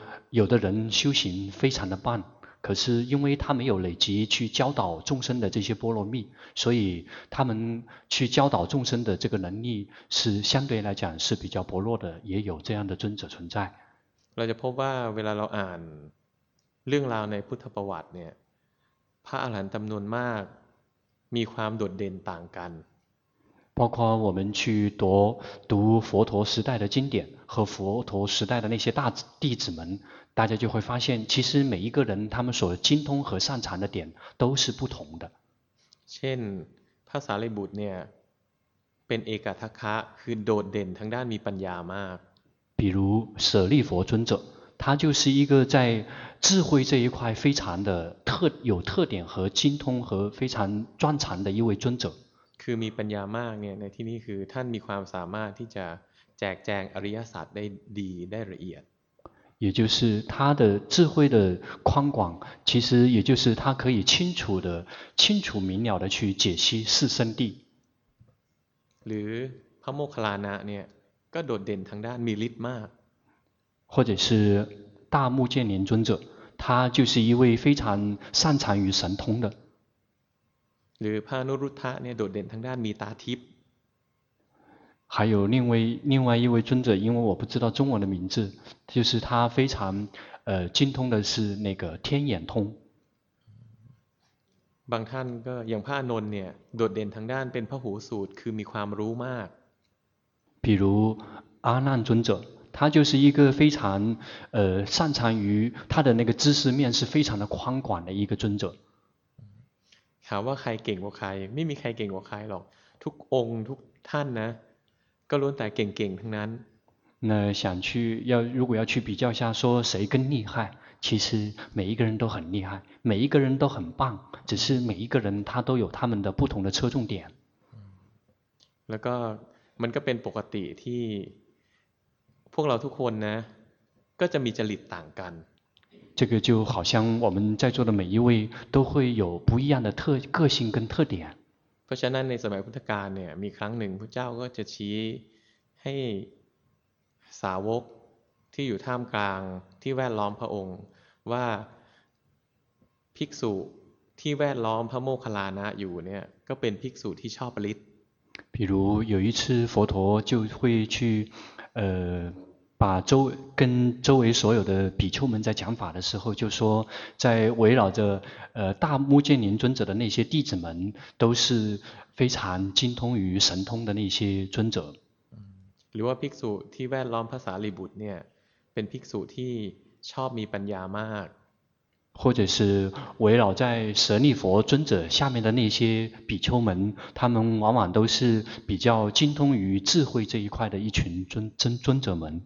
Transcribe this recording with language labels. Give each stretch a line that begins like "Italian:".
Chinese: 有的人修行非常的棒可是因为他没有累积去教导众生的这些波罗蜜所以他们去教导众生的这个能力是相对来讲是比较薄弱的也有这样的尊者存在
Thai: เราจะพบว่าเวลาเราอ่านเรื่องราวในพุทธประวัติเนี่ยพระอรหันต์จำนวนมากมีความโดดเด่นต่างกัน
Chinese: 包括我们去读佛陀时代的经典和佛陀时代的那些大弟子们大家就会发现其实每一个人他们所精通和擅长的点都是不同的
Thai: เช่นพระสารีบุตรเนี่ยเป็นเอกัตถคะคือโดดเด่นทางด้านมีปัญญามาก
Chinese: 比如舍利佛尊者他就是一个在智慧这一块非常的有特点和精通和非常专长的一位尊者
Thai: คือมีปัญญามากเนี่ยในที่นี้คือท่านมีความสามารถที่จะแจกแจงอริยสัจได้ดีได้ละเอียด
Chinese: 也就是他的智慧的宽广其实也就是他可以清楚明了的去解析四圣谛
Thai: หรือพระโมคคัลลานะเนี่ยก็โดดเด่นทางด้านมีฤทธิ์มาก
Chinese: 或者是大目犍连尊者他就是一位非常擅长于神通的
Thai: หรือพระอนุรุทธะเนี่ยโดดเด่นทางด้านมีตาทิพย์
Chinese: 还有另外一位尊者因为我不知道中文的名字就是他非常精通的是那个天眼通
Thai: บางท่านก็อย่างพระอานนท์เนี่ยโดดเด่นทางด้านเป็นพระหูสูตรคือมีความรู้มาก
Chinese: 比如阿难尊者他就是一个非常擅长于他的那个知识面是非常的宽广的一个尊者
Thai: ถามว่าใครเก่งกว่าใครไม่มีใครเก่งกว่าใครหรอกทุกองค์ทุกท่านนะก็ล้วนแต่เก่งๆทั้งนั้น
Chinese: 那想去要如果要去比较下说谁更厉害其实每一个人都很厉害每一个人都很棒只是每一个人他都有他们的不同的侧重点
Thai: แล้วก็มันก็เป็นปกติที่พวกเราทุกคนนะก็จะมีจริตต่างกัน
Chinese: 这个就好像我们在座的每一位都会有不一样的个性跟特点
Thai: เพราะฉะนั้นในสมัยพุทธกาลเนี่ยมีครั้งหนึ่งพระเจ้าก็จะชี้ให้สาวกที่อยู่ท่ามกลางที่แวดล้อมพระองค์ว่าภิกษุที่แวดล้อมพระโมคคัลลานะอยู่เนี่ยก็เป็นภิกษุที่ชอบปริศ
Chinese: 比如有一次佛陀就会去把周跟周围所有的比丘们在讲法的时候就说在围绕着大目犍连尊者的那些弟子们都是非常精通于神通的那些尊者
Thai: หรือว่าภิกษุที่แวดล้อมพระสารีบุตรเนี่ยเป็นภิกษุที่ชอบมีปัญญามาก
Chinese: 或者是围绕在舍利佛尊者下面的那些比丘们他们往往都是比较精通于智慧这一块的一群尊者们